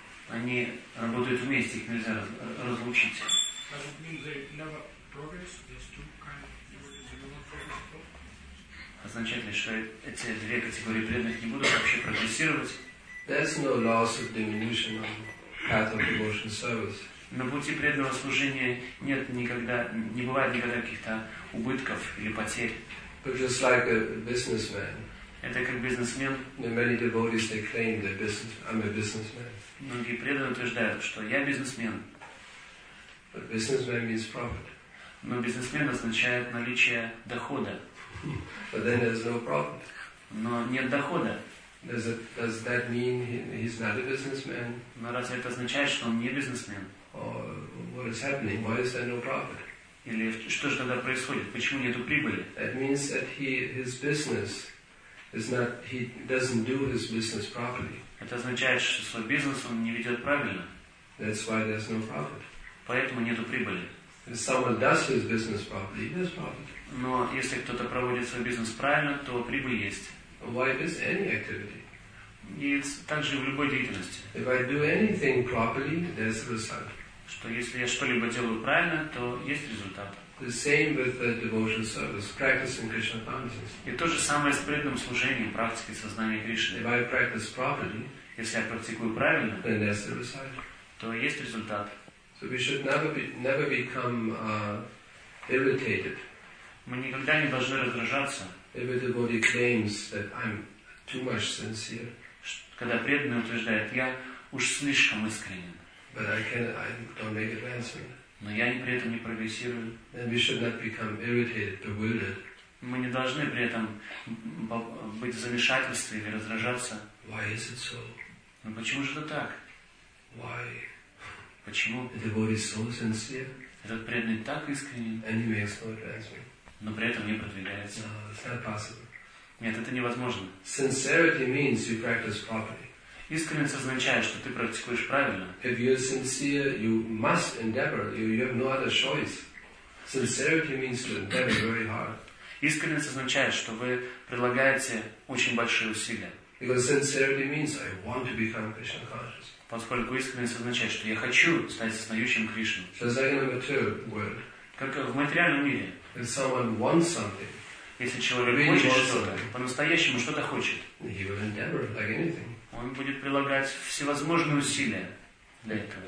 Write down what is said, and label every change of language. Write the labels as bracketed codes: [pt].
[ru] Они работают вместе, их нельзя разлучить. [en] Does it mean they never progress? These two kinds of devotees will not progress. [ru] Означает ли, что эти две категории преданных не будут вообще прогрессировать? [en] There's no loss of diminution on path of devotional service. [ru] На пути преданного служения нет никогда, не бывает никогда каких-то убытков или потерь. [en] But just like a businessman. [ru] Это как бизнесмен. [en] Many devotees they claim that I'm a businessman. [ru] Многие преданные утверждают, что я бизнесмен. [en] But businessman means profit. [ru] Но бизнесмен означает наличие дохода. [en] But then there's no profit. [ru] Но нет дохода. [en] Does that mean he's not a businessman? [ru] Но разве это означает, что он не бизнесмен? [en] Or what is happening? Why is there no profit? [ru] Или что же тогда происходит? Почему нету прибыли? [en] That means that his business is not, he doesn't do his business properly. [ru] Это означает, что свой бизнес он не ведет правильно. [en] That's why there's no profit. [ru] Поэтому нету прибыли. [en] If someone does his business properly, he has profit. [ru] Но если кто-то проводит свой бизнес правильно, то прибыль есть. [en] Why is any activity? [ru] И также в любой деятельности. [en] If I do anything properly, there's a result. [ru] Что если я что-либо делаю правильно, то есть результат. [en] The same with the devotion service, practicing Krishna consciousness. [ru] И то же самое с преданным служением, практикой сознания Кришны. [en] If I practice properly, [ru] если я практикую правильно, [en] then there's the result. [ru] То есть результат. [en] So we should never become irritated. [ru] Мы никогда не должны раздражаться. [en] If a devotee claims that I'm too much sincere. [ru] Когда преданный утверждает, я уж слишком искренен. [en] But I don't make advancement. [ru] Но я при этом не прогрессирую. [en] Then we should not become irritated, bewildered. [ru] Мы не должны при этом быть в замешательстве или раздражаться. [en] Why is it so? [ru] Ну почему же это так? [en] Why? [ru] Почему? [en] The devotee is so sincere. [ru] Этот преданный так искренен. [en] And he makes no advancement. [ru] Но при этом не продвигается. [en] No, it's not possible. [ru] Нет, это невозможно. [en] Sincerity means you practice properly. [ru] Искренность означает, что ты практикуешь правильно. [en] If you are sincere, you must endeavor. You have no other choice. Sincerity means to endeavor very hard. [ru] Искренность означает, что вы прилагаете очень большие усилия. [en] Because sincerity means I want to become Krishna conscious. [ru] Поскольку искренность означает, что я хочу стать сознающим Кришну. [en] So second number two word. [ru] Как в материальном мире. [en] If someone wants something. [ru] Если человек [en] really [ru] хочет что-то, по-настоящему что-то хочет. [en] He will endeavor like anything. [ru] Он будет прилагать всевозможные усилия для этого.